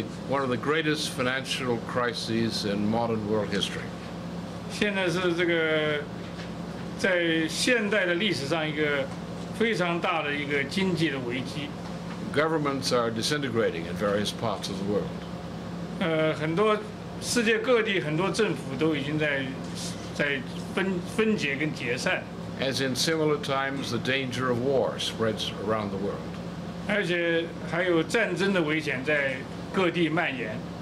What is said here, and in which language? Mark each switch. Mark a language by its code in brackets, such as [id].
[en] One of the greatest financial crises in modern world history. [zh] 现在是这个在现代的历史上一个非常大的一个经济的危机。 [en] Governments are disintegrating in various parts of the world. [zh] 很多世界各地很多政府都已经在分解跟解散。 [en] As in similar times, the danger of war spreads around the world. [zh] 而且还有战争的危险在各地蔓延。